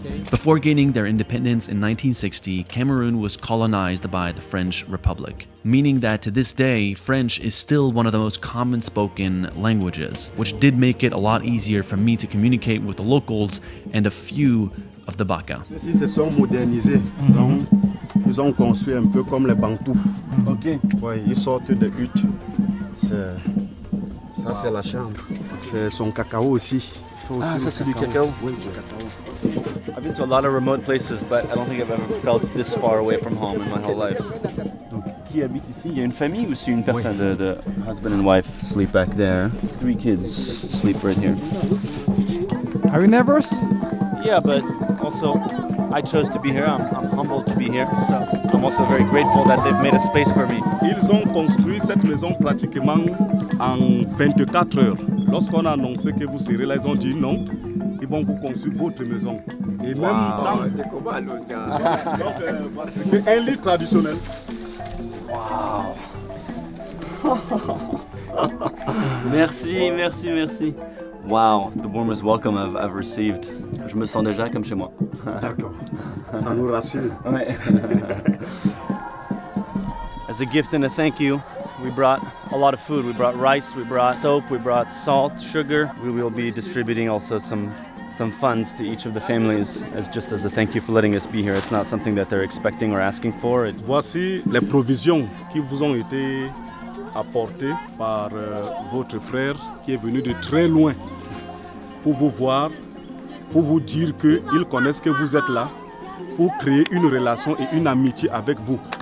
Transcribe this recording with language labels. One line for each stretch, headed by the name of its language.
English: Before gaining their independence in 1960, Cameroon was colonized by the French Republic, meaning that to this day, French is still one of the most common spoken languages, which did make it a lot easier for me to communicate with the locals and a few of the Baka.
French: Ces se sont modernisés. Mm-hmm. Donc, ils ont construit un peu comme les Bantous. Mm-hmm. Ok. Oui, ils sortent de hutte. C'est... Ça, wow. C'est la chambre. C'est son cacao aussi. Ah, ça, c'est du cacao. Oui, du cacao.
English: I've been to a lot of remote places, but I don't think I've ever felt this far away from home in my whole life.
French: Donc, qui habite ici? Il y a une famille ou c'est une personne?
English: Oui. The husband and wife sleep back there. 3 kids sleep right here. Are you nervous? Yeah, but also I chose to be here. I'm humbled to be here. So I'm also very grateful that they've made a space for me.
French: Ils ont construit cette maison pratiquement en 24 heures. Lorsqu'on a annoncé que vous serez là, ils ont dit non. Ils vont vous construire votre maison. Et même dans wow. Comment le gars. Donc un lit traditionnel. Wow. Merci, merci, merci.
English: Wow, the warmest welcome I've received.
French: Je me sens déjà comme chez moi. D'accord. Ça nous rassure. Ouais.
English: As a gift and a thank you, we brought a lot of food. We brought rice, we brought soap, we brought salt, sugar. We will be distributing also some funds to each of the families as just as a thank you for letting us be here. It's not something that they're expecting or asking for.
French: Voici les provisions qui vous ont été apportées par votre frère qui est venu de très loin pour vous voir. Pour vous dire qu'ils connaissent que vous êtes là pour créer une relation et une amitié avec vous.